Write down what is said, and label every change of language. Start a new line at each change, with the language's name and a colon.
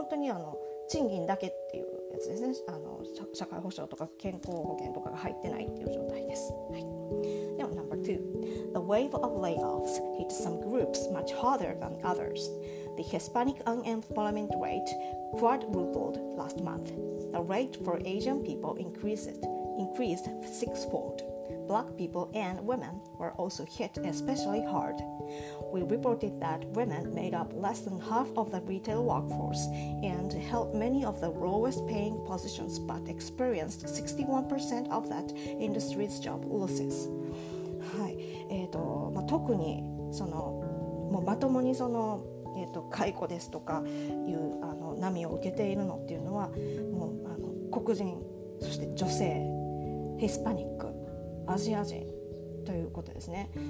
Japanese: 本当に賃金だけっていうやつですね。社会保障とか健康保険とかが入ってないっていう状態です、はい。では
English: number two, the wave of layoffs hit some groups much harder than others. The Hispanic unemployment rate quadrupled last month. The rate for Asian people increased sixfold. Black people and women were also hit especially hard. We reported that women made up less than half of the retail workforce and held many of the lowest paying positions, but experienced 61% of that industry's job losses.
Japanese: はい、特にそのもうまともにその解雇ですとかいう波を受けているのっていうのは、もう黒人、そして女性、ヒスパニック、アジア人ということですね。